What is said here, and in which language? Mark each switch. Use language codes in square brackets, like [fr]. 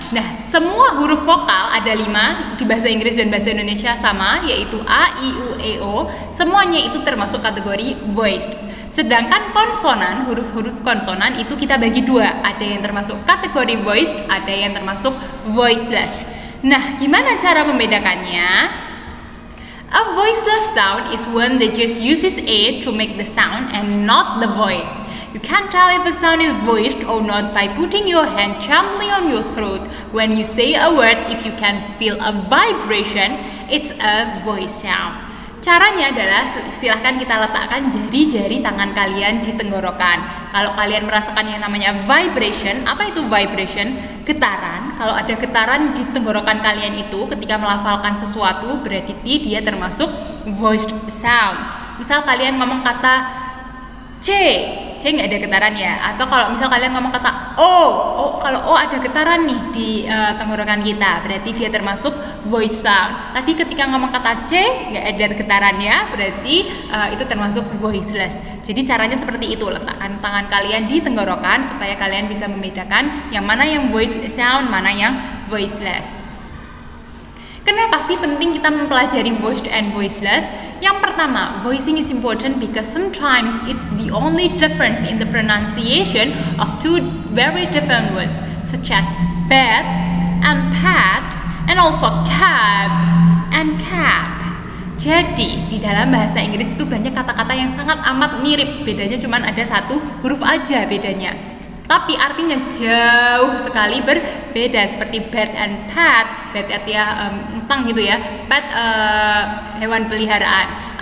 [id] Nah, semua huruf vokal ada 5 di bahasa Inggris dan bahasa Indonesia sama, yaitu A, I, U, E, O. Semuanya itu termasuk kategori voiced. Sedangkan konsonan, huruf-huruf konsonan itu kita bagi 2. Ada yang termasuk kategori voiced, ada yang termasuk voiceless. Nah, gimana cara membedakannya? [en] A voiceless sound is one that just uses A to make the sound and not the voice. You can't tell if a sound is voiced or not by putting your hand gently on your throat. When you say a word, if you can feel a vibration, it's a voice sound. [id] Caranya adalah silahkan kita letakkan jari-jari tangan kalian di tenggorokan. Kalau kalian merasakan yang namanya vibration, apa itu vibration? Getaran. Kalau ada getaran di tenggorokan kalian itu ketika melafalkan sesuatu, berarti dia termasuk voiced sound. Misal kalian ngomong kata C, C nggak ada getaran ya. Atau kalau misal kalian ngomong kata O, O kalau O ada getaran nih di tenggorokan kita, berarti dia termasuk voice sound. Tadi ketika ngomong kata C nggak ada getaran ya, berarti itu termasuk voiceless. Jadi caranya seperti itu, letakkan tangan kalian di tenggorokan supaya kalian bisa membedakan yang mana yang voice sound, mana yang voiceless. Kenapa sih penting kita mempelajari voiced and voiceless? Yang pertama, [en] voicing is important because sometimes it's the only difference in the pronunciation of two very different words, such as bed and pad, and also cab and cap. [id] Jadi, di dalam bahasa Inggris itu banyak kata-kata yang sangat amat mirip, bedanya cuma ada satu huruf aja bedanya. Tapi artinya jauh sekali berbeda, seperti bed and pet, bed artinya utang gitu ya, pet hewan peliharaan.